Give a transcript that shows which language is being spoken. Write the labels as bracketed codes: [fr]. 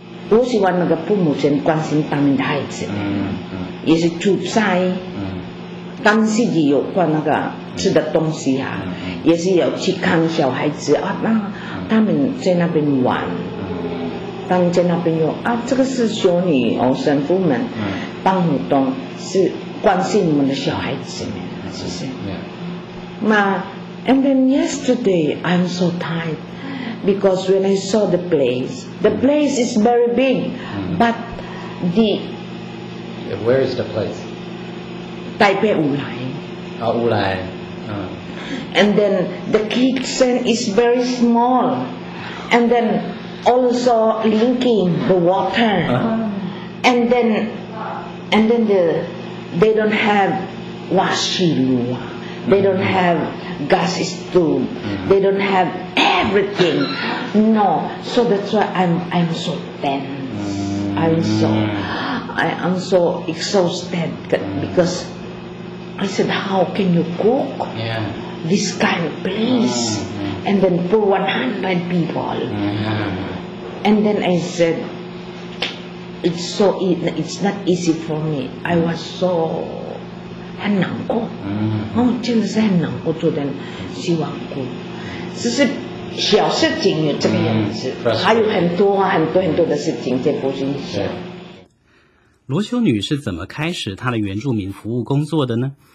[zh] 我希望那个父母亲关心他们的孩子，也是煮菜，跟自己有关那个吃的东西啊，也是要去看小孩子啊，那他们在那边玩，他们在那边有啊，这个是修女哦，神父们帮很多是。关心我们的小孩子，是不是？ [en] 那 ，and then yesterday I'm so tired because when I saw the place is very big, but the. Where is the place? [zh] 台北乌来。啊，乌来。 [en] And then the kitchen is very small, and then also linking the water, and then the. They don't have washing, they don't have gas stove, they don't have everything. No, so that's why I'm so tense. I'm so exhausted because I said, how can you cook this kind of place? And then for 100 people. And then I said,It's not easy for me. I was so [zh] 很难过，真的是很难过，做点希望过，只是小事情有这个样子，还有很多很多很多的事情在不心上。罗修女是怎么开始她的原住民服务工作的呢？